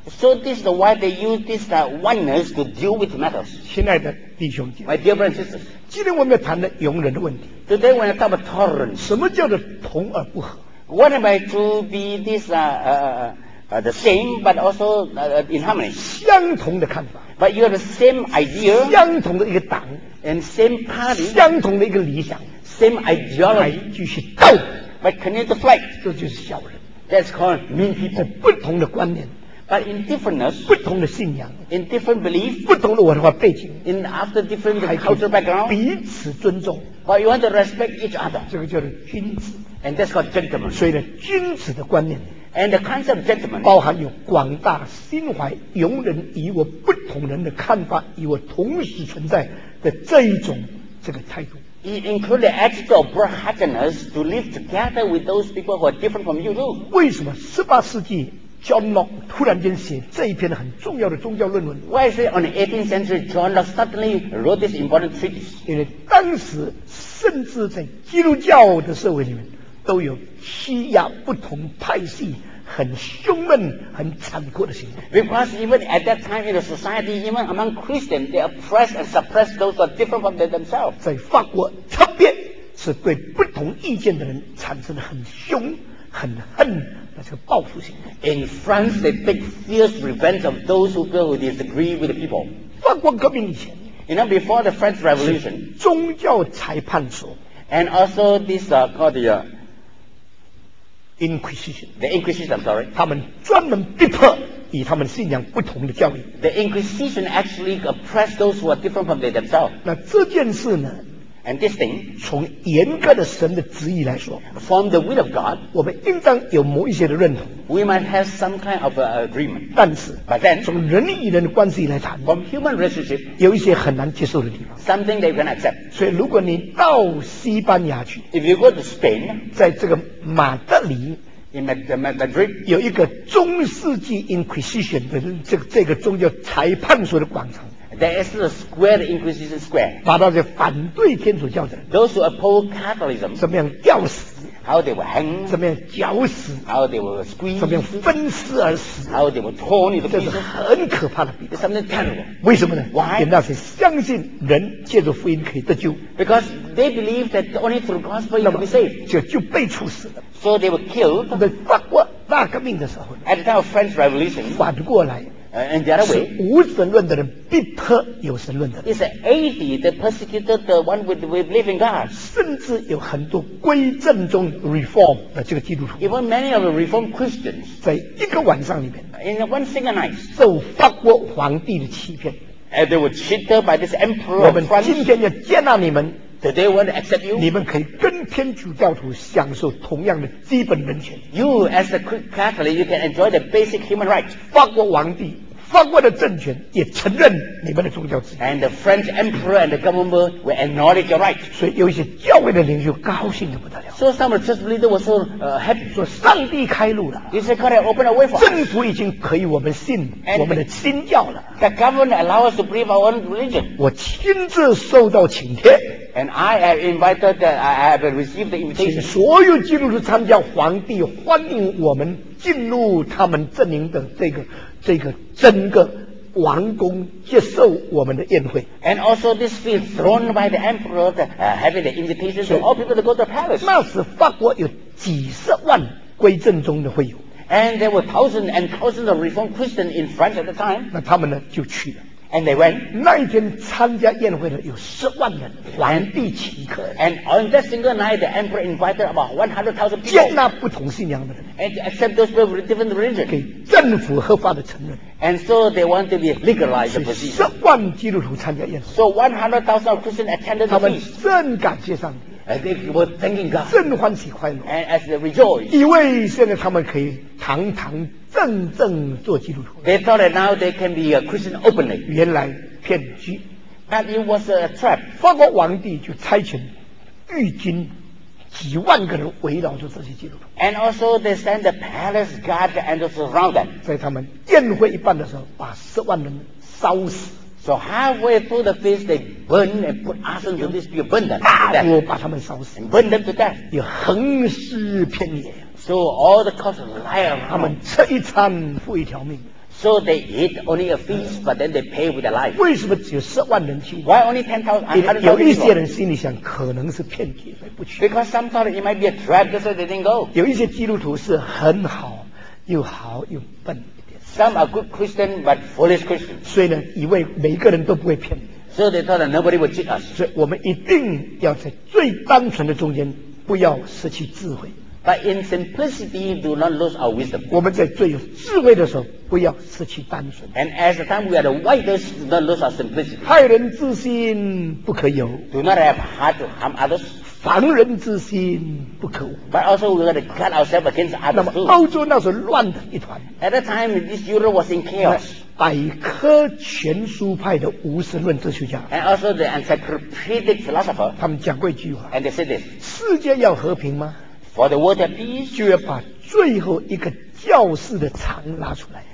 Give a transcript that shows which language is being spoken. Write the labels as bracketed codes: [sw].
[en] So this is why they use this oneness to deal with matters [zh] 亲爱的弟兄姐 [en] My dear brothers and sisters [zh] 今天我们要谈的容忍的问题 [en] Today we're going to talk about tolerance [zh] 什么叫做同而不合 [en] What am I to be this the same but also in harmony [zh] 相同的看法 [en] But you have the same idea [zh] 相同的一个党 [en] And same party, [zh] 相同的一个理想 [en] same ideology, [zh] 继续斗 [en] but continue to fight, [zh] 这就是小人 [en] That's called mean people, [zh] 不同的观念 [en] but in differentness, [zh] 不同的信仰 [en] in different belief, [zh] 不同的文化背景 [en] in after different cultural background, [zh] 彼此尊重 [en] but you want to respect each other, [zh] 这个叫做君子 [en] and that's called gentleman, [zh] 所以呢，君子的观念 [en] and the concept of gentleman, [zh] 包含有广大心怀容忍与我不同人的看法与我同时存在的这一种这个态度 [en] It includes the attitude of broad-heartedness to live together with those people who are different from you too [zh] 为什么18世纪 John Locke 突然间写这一篇很重要的宗教论文 [en] Why is it on the 18th century John Locke suddenly wrote this important treatise [zh] 因为当时甚至在基督教的社会里面都有欺压不同派系很凶闷很残酷的行为 [en] Because even at that time in the society Even among Christians They oppress and suppress those who are different from themselves [zh] 在法国特别是对不同意见的人产生了很凶很恨那是个报复行为 [en] In France they take fierce revenge of those who feel who disagree with the people [zh] 法国革命以前 [en] You know before the French Revolution [zh] 宗教裁判所 [en] And also this called the Inquisition, the Inquisition, sorry, [zh] 他们专门逼迫与他们信仰不同的教义。 [en] The Inquisition actually oppressed those who are different from themselves. [zh] 那这件事呢 [en] ？And this thing, [zh] 从严格的神的旨意来说 [en] ，from the will of God, [zh] 我们应当有某一些的认同。 [en] We might have some kind of agreement. [zh] 但是 [en] ，but then, [zh] 从人与人的关系来谈 [en] ，from human relationship, [zh] 有一些很难接受的地方。 [en] Something they can accept. [zh] 所以如果你到西班牙去 [en] ，if you go to Spain, [zh] 在这个马德里 [en] ，in Madrid, [zh] 有一个中世纪 Inquisition 的这个宗教裁判所的广场。 [en] There is a square, the Inquisition Square. [zh] 把那些反对天主教的 [en] ，those who oppose Catholicism， [zh] 怎么样吊死 [en] ？How they were hanged？ [zh] 怎么样绞死 [en] ？How they were squeezed？ [zh] 怎么样分尸而死 [en] ？How they were torn into pieces？ [zh] 这是很可怕的 [en] ，It's something terrible. [zh] 为什么呢 [en] ？Why？ [zh] 因为那些相信人借着福音可以得救 [en] ，Because they believe that only through gospel you can be saved. [zh] 就被处死了 [en] ，So they were killed. [zh] 在法国大革命的时候 [en] ，At the time of French Revolution， [zh] 反过来。 [en] And the other way, [zh] 是无神论的人逼迫有神论的人。 [en] It's an atheist that persecuted the one with believing God. [zh] 甚至有很多归正宗 reform 的这个基督徒。 [en] Even many of the reformed Christians, [zh] 在一个晚上里面 [en] ，in one single night, [zh] 受法国皇帝的欺骗。 [en] And they were cheated by this emperor. [zh] 我们今天要接纳你们。 [en] They want to accept you. [zh] 你们可以跟天主教徒享受同样的基本人权。 [en] You as a Catholic, you can enjoy the basic human rights. [zh] 法国皇帝、法国的政权也承认你们的宗教自由。 [en] And the French Emperor and the government will acknowledge your rights. [zh] 所以有一些教会的领袖高兴得不得了。 [en] So some church leader was so happy. [zh] 说上帝开路了。 [en] He said God opened a way for us. [zh] 政府已经可以我们信我们的新教了。 [en] The government allows us to believe our own religion. [zh] 我亲自受到请帖。 [en] And I have invited that I have received the invitation. [zh] 请所有基督徒参加皇帝欢迎我们进入他们阵营的这个整个王宫接受我们的宴会。 [en] And also this feast thrown by the emperor having the invitation to all people to go to the palace. [zh] 那时法国有几十万归正宗的会友。 [en] And there were thousands and thousands of reformed Christians in France at the time. [zh] 那他们呢就去了。 [en] And they went. [zh] 那一天参加宴会的有十万人，皇帝请客。 [en] And on that single night, the emperor invited about 100,000 people. [zh] 接纳不同信仰的人。 [en] And to accept those people with different religion. [zh] 给政府合法的承认。 [en] And so they want to be legalized. [zh] 十万基督徒参加宴会。 [en] So 100,000 Christians attended the feast. [zh] 他们甚感谢上帝。 [en] And they were thanking God. [zh] 甚欢喜快乐。 [en] And as they rejoice. [zh] 以为现在他们可以堂堂。正正做基督徒。 [en] They thought that now they can be a Christian openly. [zh] 原来骗局。 [en] But it was a trap. [zh] 法国皇帝就差遣御军几万个人围绕着这些基督徒。 [en] And also they sent the palace guard and surround them. [zh] 在他们宴会一半的时候，把十万人烧死。 [en] So halfway through the feast, they burn and put arson to these people, burn them. [zh] 大火把他们烧死。 [en] Burn them to death. [zh] 也横尸遍野。 [en] So all the cause of life, [zh] 他们吃一餐付一条命。 [en] So they eat only a feast, but then they pay with their life. [zh] 为什么只有十万人去？ [en] Why only 10,000? [zh] 有一些人心里想，可能是骗局，所以不去。 [en] Because some thought it might be a trap, so they didn't go. [zh] 有一些基督徒是很好，又好又笨一点。 [en] Some are good Christian, but foolish Christian. [zh] 所以呢，以为每个人都不会骗。 [en] So they thought that nobody would cheat us. [zh] 所以我们一定要在最单纯的中间，不要失去智慧。 [en] But in simplicity, do not lose our wisdom. [zh] 我们在最有智慧的时候，不要失去单纯。 [en] And as the time we are the wisest, do not lose our simplicity. [zh] 害人之心不可有。 [en] Do not have heart to harm others. [zh] 防人之心不可无。 [en] But also we got to guard ourselves against others. [zh] 那么欧洲那时候乱的一团。 [en] At that time, this Europe was in chaos. [zh] 百科全书派的无神论哲学家。 [en] And also the encyclopedic philosopher. [zh] 他们讲过一句话。 [en] And they said this. [zh] 世界要和平吗？ [en] For the world of peace, [zh] 就要把最后一个教士的肠拿出来。